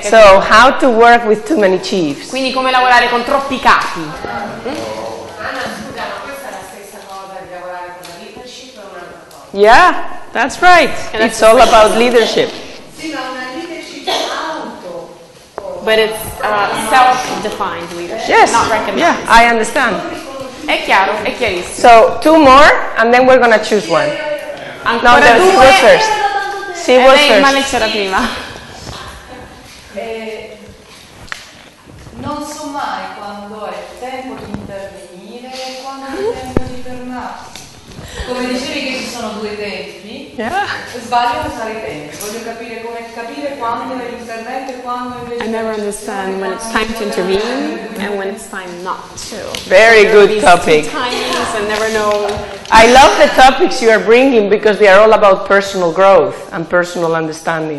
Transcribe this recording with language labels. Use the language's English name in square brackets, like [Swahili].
[English] So, how to work with too many chiefs? [Italian] Quindi come lavorare con troppi capi? Anna, scusa, ma questa è la stessa cosa di lavorare con la leadership o un'altra cosa? [English] Yeah, that's right. And it's all about leadership. [Italian] Sì, ma una leadership auto. [English] But it's self-defined leadership. Yes. Not recognized. Yeah, I understand. [Italian] È chiaro, è chiarissimo. [English] So, two more, and then we're gonna choose one. [Italian] Ancora due. [English] No, there's two first. [Italian] Sì, lei, ma lei c'era prima. Non so mai quando è tempo di intervenire e quando è tempo di fermarsi. Come dicevi che ci sono due tempi, sbaglio a usare i tempi. Voglio capire come capire quando è l'intervento e quando invece... [English] I never understand when it's time to intervene and when it's time not to. Very good topic. Timings, I never know... I love the topics you are bringing because they are all about personal growth and personal understanding.